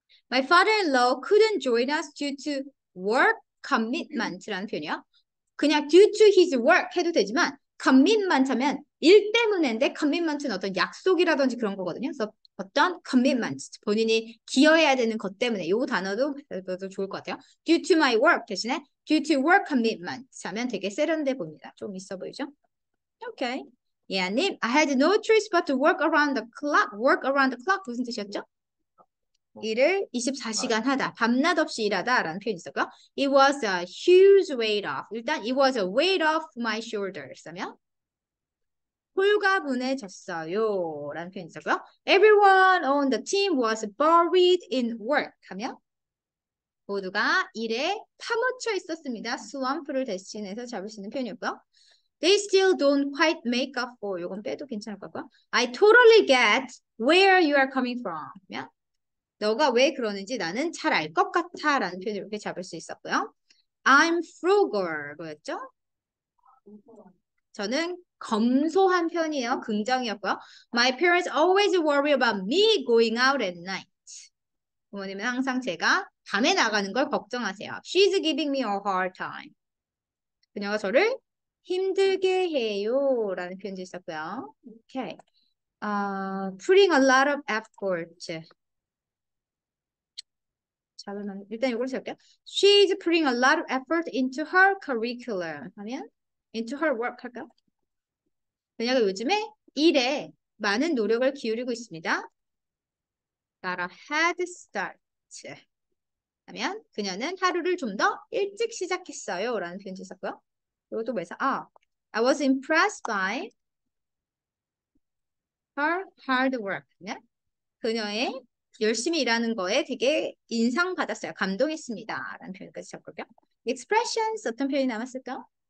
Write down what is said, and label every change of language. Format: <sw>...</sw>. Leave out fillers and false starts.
<en>My father-in-law couldn't join us due to work commitment</en> <ko>라는 표현이요. 그냥 due to his work 해도 되지만 commitment 하면 일 때문에인데 commitment은 어떤 약속이라든지 그런 거거든요. 그래서 어떤 commitment 본인이 기여해야 되는 것 때문에 이 단어도 좋을 것 같아요.</ko> <en>Due to my work 대신에 due to work commitment</en> <ko>하면 되게 세련돼 보입니다. 좀 있어 보이죠? 오케이.</ko> <en>예아님, I had no choice but to work around the clock. Work around the clock</en> <ko>무슨 뜻이었죠? 일을 24시간 하다, 밤낮 없이 일하다라는 표현이 있었고요.</ko> <en>It was a huge weight off.</en> <ko>일단</ko> <en>it was a weight off my shoulders</en> <ko>하면 홀가분해졌어요라는 표현이 있었고요.</ko> <en>Everyone on the team was buried in work</en> <ko>하면 모두가 일에 파묻혀 있었습니다. 스완프를 대신해서 잡을 수 있는 표현이었고요.</ko> <en>They still don't quite make up for</en> <ko>이건 빼도 괜찮을 것 같고요.</ko> <en>I totally get where you are coming from</en> <ko>하면 너가 왜 그러는지 나는 잘알것 같아라는 표현을 이렇게 잡을 수 있었고요.</ko> <en>I'm frugal</en> <ko>뭐였죠? 저는 검소한 편이에요. 긍정이었고요.</ko> <en>My parents always worry about me going out at night.</en> <ko>부모님은 항상 제가 밤에 나가는 걸 걱정하세요.</ko> <en>She's giving me a hard time.</en> <ko>그녀가 저를 힘들게 해요라는 표현도 있었고요.</ko> <en>오케이. Putting a lot of effort.</en> <ko>일단 이걸 세울게요.</ko> <en>She's putting a lot of effort into her curriculum.</en> <ko>하면</ko> <en>into her work</en> <ko>할까요? 그녀가 요즘에 일에 많은 노력을 기울이고 있습니다.</ko> <en>Got a head start.</en> <ko>하면 그녀는 하루를 좀더 일찍 시작했어요. 라는 표현도 있었고요. 이것도 왜서?</ko> <en>I was impressed by her hard work.</en> <ko>하면 그녀의 열심히 일하는 거에 되게 인상 받았어요. 감동했습니다라는 표현까지 적을게요. Expressions 어떤 표현이 남았을까요?</ko>